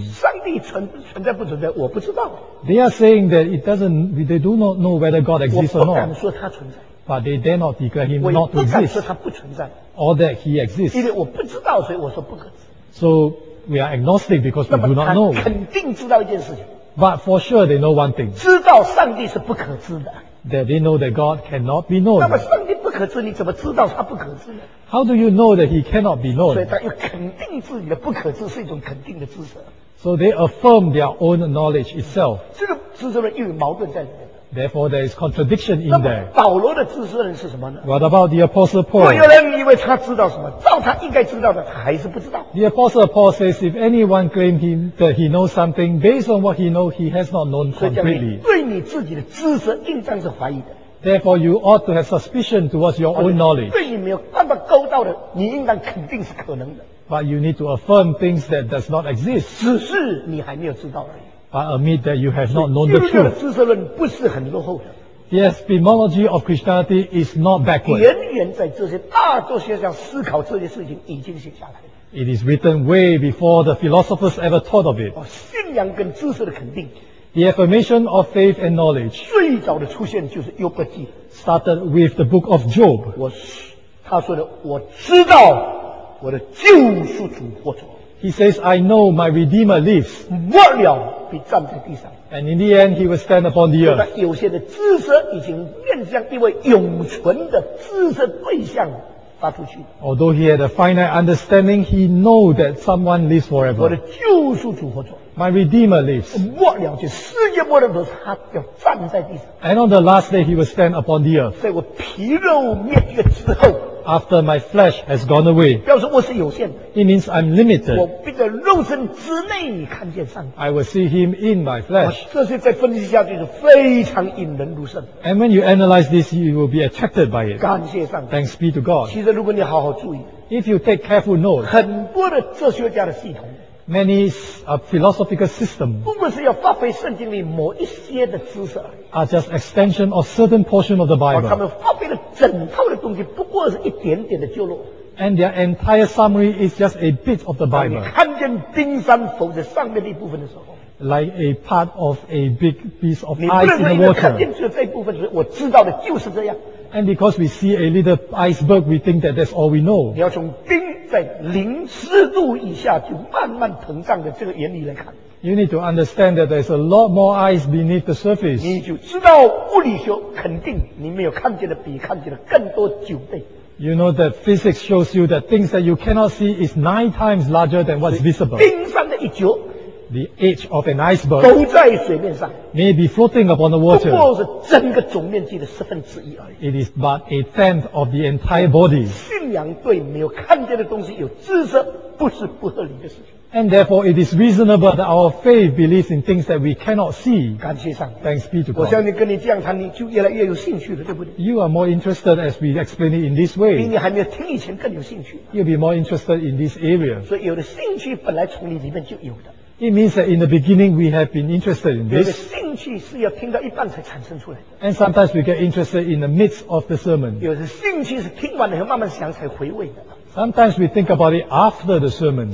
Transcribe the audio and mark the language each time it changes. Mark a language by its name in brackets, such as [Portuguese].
[Chinese] 上帝存在不存在，我不知道。 [English] They are saying that it doesn't, they do not know whether God exists or not. [Chinese] 我不敢说他存在。 [English] But they dare not declare him not to exist. [Chinese] 我不敢说他不存在。 [English] Or that he exists. [Chinese] 因为我不知道，所以我说不可知。 [English] So we are agnostic because we do not know. [Chinese] 肯定知道一件事情。 [English] But for sure they know one thing. [Chinese] 知道上帝是不可知的。 [English] That they know that God cannot be known. [Chinese] 那么上帝不可知，你怎么知道他不可知呢？ [English] How do you know that he cannot be known? [Chinese] 所以他又肯定自己的不可知是一种肯定的知识。 [English] So they affirm their own knowledge itself. [Chinese] 这个知识论又有矛盾在里面。 [English] Therefore, there is contradiction in there. [Chinese] 那么保罗的知识论是什么呢？ [English] What about the Apostle Paul? [Chinese] 若有人以为他知道什么，照他应该知道的，他还是不知道。 [English] The Apostle Paul says, if anyone claims him that he knows something based on what he knows, he has not known completely. [Chinese] 对你自己的知识应当是怀疑的。 [English] Therefore, you ought to have suspicion towards your own knowledge. [Chinese] 对你没有办法勾到的，你应当肯定是可能的。 [English] But you need to affirm things that does not exist. [Chinese] 只是你还没有知道而已。 [English] But admit that you have not known the truth. [Chinese] 知识论不是很落后的。 [English] The epistemology of Christianity is not backward. [Chinese] 远远在这些大多学校思考这些事情已经写下来了。 [English] It is written way before the philosophers ever thought of it. [Chinese] 信仰跟知识的肯定。 [English] The affirmation of faith and knowledge. [Chinese] 最早的出现就是约伯记。 [English] Started with the book of Job. [Chinese] 他说的，我知道我的救赎主活着。 [English] He says, I know my Redeemer lives. [Chinese] 末了。比站在地上。 [English] And in the end, he will stand upon the earth. [Chinese] 有些的知识已经面向一位永存的知识对象发出去。 [English] Although he had a finite understanding, he knew that someone lives forever. [Chinese] 我的救赎主活着。 [English] My Redeemer lives. [Chinese] 末了就世界末了的时候，他要站在地上。 [English] And on the last day, he will stand upon the earth. [Chinese] 在我皮肉灭绝之后。 [English] After my flesh has gone away, [Chinese] 表示我是有限的。 [English] It means I'm limited. [Chinese] 我并在肉身之内看见上帝。 [English] I will see him in my flesh. [Chinese] 这些在分析下去是非常引人入胜。 [English] And when you analyze this, you will be attracted by it. [Chinese] 感谢上帝。 [English] Thanks be to God. [Chinese] 其实如果你好好注意， [English] if you take careful note, [Chinese] 很多的哲学家的系统。 [English] Many philosophical systems [Chinese] 不过是要发挥圣经里某一些的知识 [English] are just extension of certain portion of the Bible. [Chinese] 他们发挥了整套的东西，不过是一点点的旧约。 [English] And their entire summary is just a bit of the Bible. [Chinese] 当你看见冰山浮在上面的一部分的时候。 [English] Like a part of a big piece of ice in the water. [Chinese] 你不能看见这一部分的时候，我知道的就是这样。 [English] And because we see a little iceberg, we think that that's all we know. [Chinese] 你要从冰在零湿度以下就慢慢膨胀的这个原理来看。 [English] You need to understand that there's a lot more ice beneath the surface. [Chinese] 你就知道物理学肯定你没有看见的比看见的更多九倍。 [English] You know that physics shows you that things that you cannot see is 9 times larger than what's visible. [Chinese] 冰山的一角。 [English] The edge of an iceberg [Chinese] 都在水面上 [English] may be floating upon the water. [Chinese] 不过是整个总面积的十分之一而已 [English] It is but a tenth of the entire body. [Chinese] 信仰对没有看见的东西有知识，不是不合理的事情。 [English] And therefore, it is reasonable that our faith believes in things that we cannot see. [Chinese] 感谢上帝。 [English] Thanks be to God. [Chinese] 我相信跟你这样谈，你就越来越有兴趣了，对不对？ [English] You are more interested as we explain it in this way. [Chinese] 比你还没有听以前更有兴趣。 [English] You'll be more interested in this area. [Chinese] 所以有的兴趣本来从你里面就有的。 [English] It means that in the beginning we have been interested in this. [Chinese] 有的兴趣是要听到一半才产生出来的。 [English] And sometimes we get interested in the midst of the sermon. [Chinese] 有的兴趣是听完了以后慢慢想才回味的。 [English] Sometimes we think about it after the sermon.